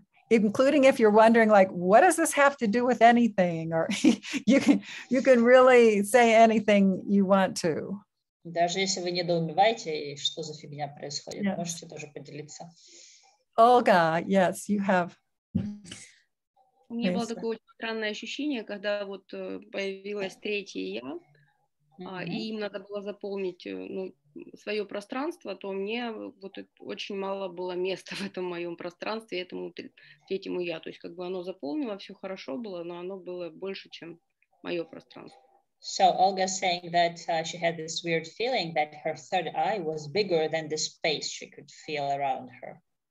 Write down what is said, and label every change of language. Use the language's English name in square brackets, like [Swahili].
[English] Including if you're wondering, like, what does this have to do with anything? Or you can really say anything you want to. [Russian] Даже если вы недоумеваете, что за фигня происходит, yes. Можете тоже поделиться. [English] Olga, yes, you have. [Russian] У меня было такое очень странное ощущение, когда вот появилось третье я, и им надо было заполнить свое пространство, то мне вот очень мало было места в этом моем пространстве, этому третьему я. То есть как бы оно заполнило, все хорошо было, но оно было больше, чем мое пространство. [English] So Olga saying that she had this weird feeling that her third eye was bigger than the space she could feel around her.